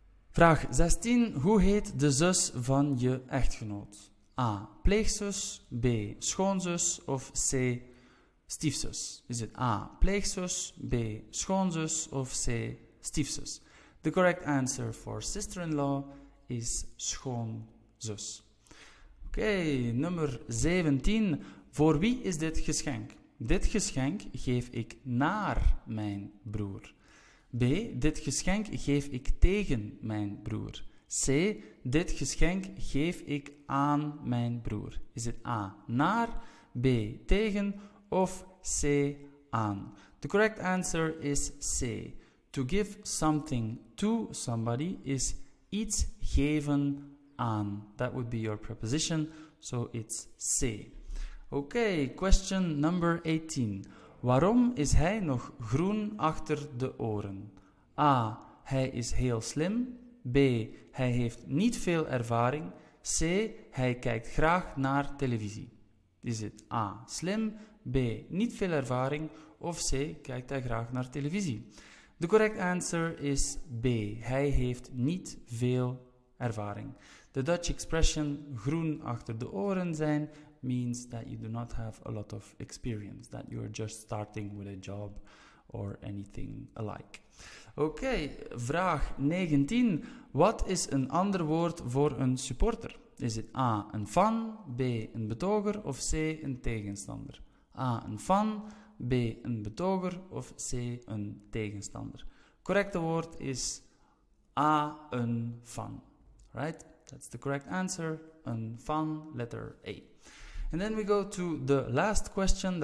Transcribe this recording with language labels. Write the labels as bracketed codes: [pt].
[nl] Vraag 16. Hoe heet de zus van je echtgenoot? A, pleegzus, B, schoonzus of C, stiefzus? Is het A, pleegzus, B, schoonzus of C, stiefzus? [en] The correct answer for sister-in-law is schoonzus. [nl] Oké, nummer 17. Voor wie is dit geschenk? Dit geschenk geef ik naar mijn broer. B, dit geschenk geef ik tegen mijn broer. C, dit geschenk geef ik aan mijn broer. Is het A, naar, B, tegen of C, aan? [en] The correct answer is C. To give something to somebody is [nl] iets geven aan. [en] That would be your preposition, so it's C. Okay, question number 18. [nl] Waarom is hij nog groen achter de oren? A, hij is heel slim. B, hij heeft niet veel ervaring. C, hij kijkt graag naar televisie. Is het A, slim, B, niet veel ervaring of C, kijkt hij graag naar televisie? [en] The correct answer is B, [nl] hij heeft niet veel ervaring. [en] The Dutch expression [nl] groen achter de oren zijn [en] means that you do not have a lot of experience, that you are just starting with a job or anything alike. [nl] Oké, vraag 19. Wat is een ander woord voor een supporter? Is het A, een fan, B, een betoger of C, een tegenstander? A, een fan, B, een betoger of C, een tegenstander? Correcte woord is A, een fan. [en] Right? That's the correct answer. [nl] Een fan, letter A. [en] And then we go to the last question.